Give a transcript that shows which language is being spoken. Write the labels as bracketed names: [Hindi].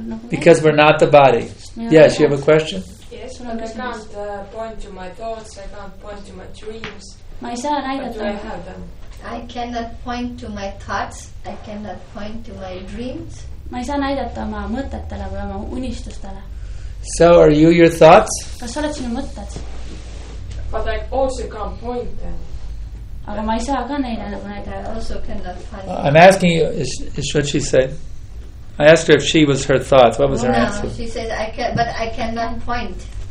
[English] Because we're not the body. Yes, you have a question? Yes, I can't point to my thoughts, I can't point to my dreams. But do I have them? I cannot point to my thoughts, I cannot point to my dreams. [Estonian] Ma ei saa näidata oma mõtetele või oma unistustele. [English] So are you your thoughts? [Estonian] Kas sa oled sinu mõtted? [English] But I also can't point them. [Estonian] Aga ma ei saa ka neile nagu näida. [English] I also cannot find them. I'm asking you, is what she said? I asked her if she was her thoughts. What was her answer? No, she said, I cannot point.